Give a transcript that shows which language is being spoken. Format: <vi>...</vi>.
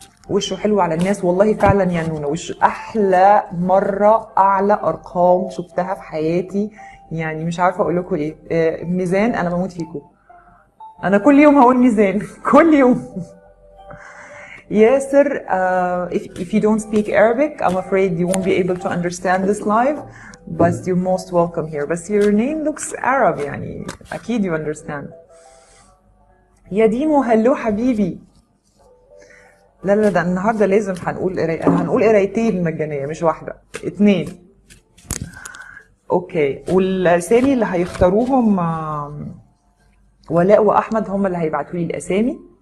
<ar>وشه حلو على الناس، والله فعلا يا نونا وش احلى مرة، اعلى ارقام شفتها في حياتي، يعني مش عارفة اقول لكم ايه. ميزان انا بموت فيكو، انا كل يوم هقول ميزان كل يوم.</ar> <en>ياسر: if you don't speak Arabic I'm afraid you won't be able to understand this live, but you're most welcome here. But your name looks Arab,</en> <ar>يعني اكيد</ar> <en>you understand.</en> <ar>يا ديمو هلو حبيبي. لا لا ده النهارده لازم هنقول قرايتين مجانيه مش واحده، اتنين. اوكي، والاسامي اللي هيختاروهم ولاء واحمد هم اللي هيبعتوا لي الاسامي.</ar>